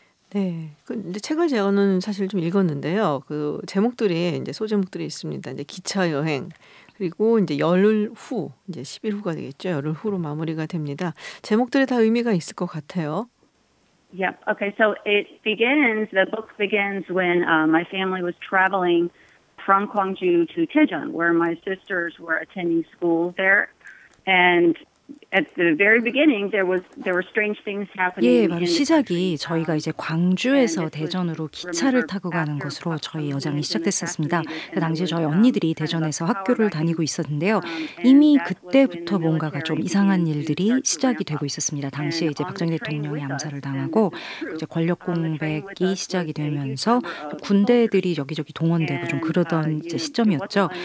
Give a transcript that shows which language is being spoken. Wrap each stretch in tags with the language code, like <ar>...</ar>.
<ko>네. 근데 책을 제가는 사실 좀 읽었는데요. 그 제목들이 이제 소제목들이 있습니다. 이제 기차 여행 그리고 이제 열흘 후, 이제 10일 후가 되겠죠. 열흘 후로 마무리가 됩니다. 제목들이 다 의미가 있을 것 같아요.</ko> <en>Yep. Okay. So it begins. The book begins when my family was traveling from Gwangju to Taejeon, where my sisters were attending school there. And at the very beginning, there were strange things happening.</en> <ko>예, 바로 시작이 저희가 이제 광주에서 대전으로 기차를 타고 가는 것으로 저희 여정이 시작됐었습니다. 그 당시 저희 언니들이 대전에서 학교를 다니고 있었는데요. 이미 그때부터 뭔가가 좀 이상한 일들이 시작이 되고 있었습니다. 당시에 이제 박정희 대통령이 암살을 당하고 이제 권력 공백이 시작이 되면서 군대들이 여기저기 동원되고 좀 그러던 이제 시점이었죠.</ko>